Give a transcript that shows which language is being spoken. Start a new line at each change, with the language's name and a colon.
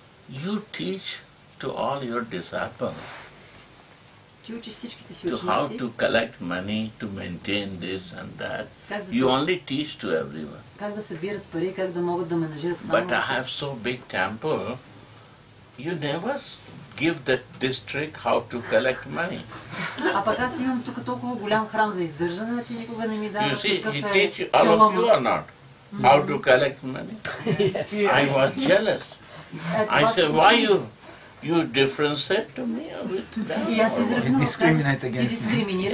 English: You teach to all your disciples.
Bulgarian: Ти учиш всичките си ученици.
English: To how to collect money, to maintain this and that. You only teach to everyone.
Bulgarian: Как да събират пари, как да могат да менажират това.
English: But I have so big temple, you never give that this trick how to collect money.
Bulgarian: А пък аз имам тук толкова голям храм за издържане, ти никога не ми даваш.
English: You see, he teach all of you or not? how to collect money. I was jealous. I said, why you differentiate to me or with them? You discriminate against me.